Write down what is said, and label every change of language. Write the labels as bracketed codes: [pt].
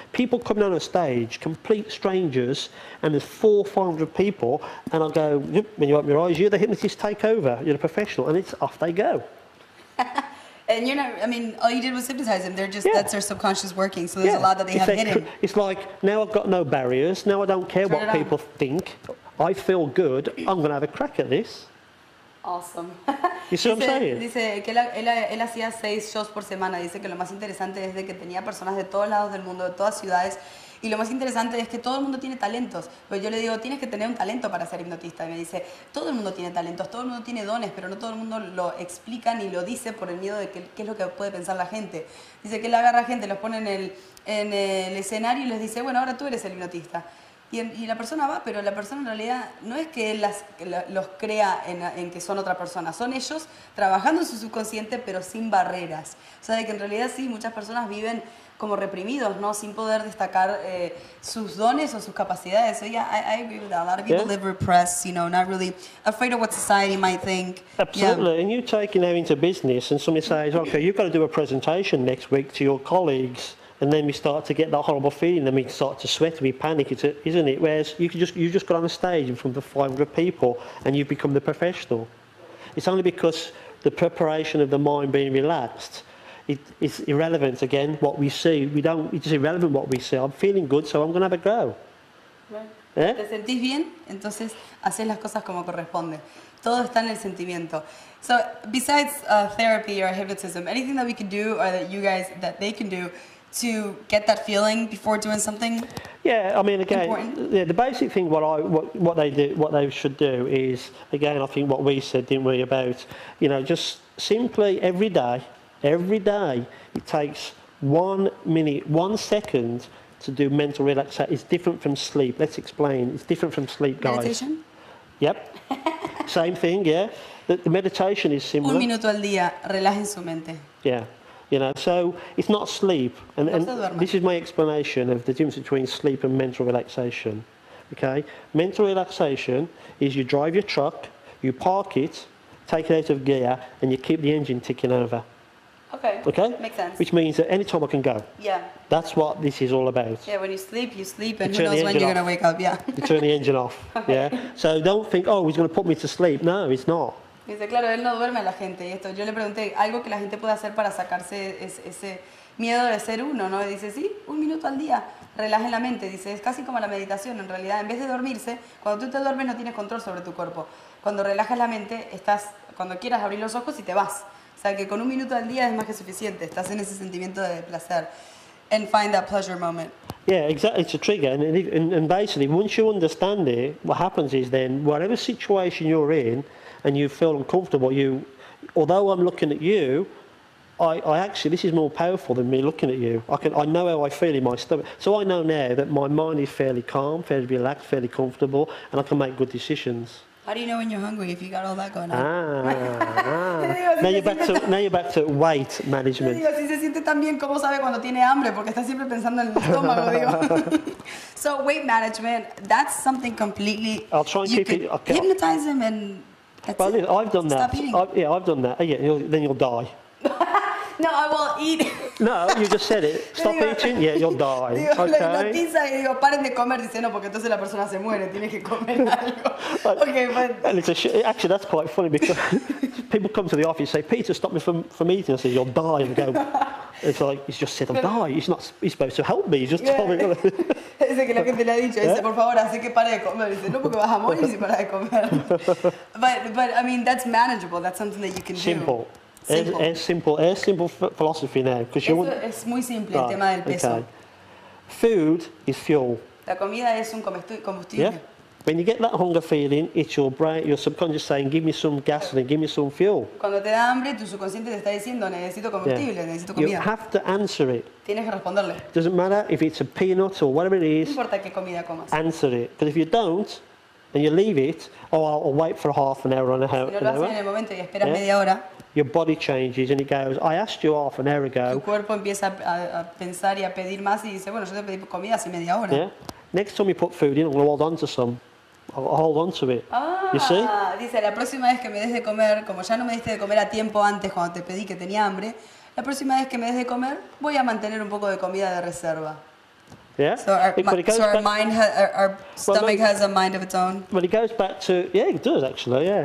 [en] People coming on a stage, complete strangers, and there's 400 or 500 people, and I go, yep, when you open your eyes, you're the hypnotist, take over, you're a professional, and it's off they go. And you're not, I mean, all you did was hypnotize them. They're just, yeah. That's their subconscious working. So there's a lot that they have hidden. It's like, now I've got no barriers. Now I don't care what people think. I feel good. I'm going to have a crack at this. Awesome. You see what I'm saying? [es] Dice que él hacía 6 shows por semana. Dice que lo más interesante es de que tenía personas de todos lados del mundo, de todas ciudades. Y lo más interesante es que todo el mundo tiene talentos. Pues yo le digo, tienes que tener un talento para ser hipnotista. Y me dice, todo el mundo tiene talentos, todo el mundo tiene dones, pero no todo el mundo lo explica ni lo dice por el miedo de qué es lo que puede pensar la gente. Dice que él agarra gente, los pone en el escenario y les dice, bueno, ahora tú eres el hipnotista. Y la persona va, pero la persona en realidad no es que él los crea en que son otra persona. Son ellos trabajando en su subconsciente, pero sin barreras. O sea, de que en realidad sí, muchas personas viven como reprimidos, ¿no? Sin poder destacar sus dones o sus capacidades. [en] So yeah, I agree with that. A lot of people live repressed, you know, not really afraid of what society might think. Absolutely. Yeah. And you take it into business and somebody says, okay, you've got to do a presentation next week to your colleagues. And then we start to get that horrible feeling, and we start to sweat, and we panic, isn't it? Whereas you just got on a stage in front of 500 people, and you've become the professional. It's only because the preparation of the mind being relaxed, it's irrelevant again, what we see. It's irrelevant what we see. I'm feeling good, so I'm going to have a go. Right. Yeah? [es] Te sentís bien, entonces haces las cosas como corresponde. Todo está en el sentimiento. [en] So, besides therapy or hypnotism, anything that we can do, or that you guys, that they can do, to get that feeling before doing something. Yeah, I mean, again, the basic thing what they should do is, again, I think what we said, didn't we, about, you know, just simply every day, it takes 1 minute, 1 second to do mental relaxation. It's different from sleep. Let's explain. It's different from sleep, guys. Meditation? Yep. Same thing, yeah. The meditation is similar. [es] 1 minuto al día, relajen su mente. [en] Yeah. You know, so it's not sleep, and this is my explanation of the difference between sleep and mental relaxation. Okay, mental relaxation is you drive your truck, you park it, take it out of gear, and you keep the engine ticking over. Okay, makes sense. Which means that anytime I can go. Yeah. That's what this is all about. Yeah, when you sleep, and who knows when you're going to wake up. Yeah. You turn the engine off. Okay. Yeah. So don't think, oh, he's going to put me to sleep. No, it's not. [es] Dice, claro, él no duerme a la gente. Y esto, yo le pregunté, ¿algo que la gente puede hacer para sacarse ese miedo de ser uno, no? Y dice, sí, 1 minuto al día, relaje la mente. Dice, es casi como la meditación, en realidad. En vez de dormirse, cuando tú te duermes no tienes control sobre tu cuerpo. Cuando relajas la mente, estás, cuando quieras abrir los ojos y te vas. O sea, que con 1 minuto al día es más que suficiente. Estás en ese sentimiento de placer. [en] And find that pleasure moment. Yeah, exactly. It's a trigger. And basically, once you understand it, what happens is then, whatever situation you're in, and you feel uncomfortable, although I'm looking at you, I actually, this is more powerful than me looking at you. I know how I feel in my stomach. So I know now that my mind is fairly calm, fairly relaxed, fairly comfortable, and I can make good decisions. How do you know when you're hungry if you got all that going on? Ah, now you're back to weight management. [es] Digo, si se siente tan bien, ¿cómo sabe cuando tiene hambre? Porque está siempre pensando en el estómago, digo. [en] So weight management, that's something completely... I'll try and keep it... Okay. Hypnotize him and... Well, I've done that. Stop eating. I've done that. Yeah, then you'll die. No, I will eat. No, you just said it. Stop eating. Yeah, you'll die. Okay. [es] La hipnotiza y digo, paren de comer. Dice, no, porque entonces la persona se muere. Tiene que comer algo. [en] Okay, but... And actually, that's quite funny because people come to the office and say, Peter, stop me from eating. I say, you'll die. And go, it's like, he's just said, I'll die. He's supposed to help me. He's just told me. [es] Dice que la gente le ha dicho, dice, por favor, hace que pare de comer. Dice, no, porque vas a morir si para de comer. [en] But, I mean, that's manageable. That's something that you can Simple. Do. Simple. Es simple philosophy now. [es] Es muy simple el tema del peso. [en] Okay. Food is fuel. [es] La comida es un combustible. [en] Yeah. When you get that hunger feeling, it's your brain, your subconscious saying, give me some gasoline, give me some fuel. [es] Cuando te da hambre, tu subconsciente te está diciendo, necesito combustible, necesito comida. [en] You have to answer it. [es] Tienes que responderle. [en] Doesn't matter if it's a peanut or whatever it is. [es] No importa qué comida comas. [en] Answer it. Because if you don't, and you leave it, oh, I'll wait for half an hour on a hour. [es] Si no lo haces en el momento y esperas media hora, [en] your body changes and it goes, I asked you half an hour ago. [es] Tu cuerpo empieza a pensar y a pedir más y dice, bueno, yo te pedí comida hace media hora. [en] Yeah. Next time you put food in, I'm going to hold on to some. I'll hold on to it. Ah, you see? [es] Dice, la próxima vez que me des de comer, como ya no me diste de comer a tiempo antes cuando te pedí que tenía hambre, la próxima vez que me des de comer, voy a mantener un poco de comida de reserva. [en] Yeah. So our stomach has a mind of its own. But it goes back to, yeah, it does actually, yeah.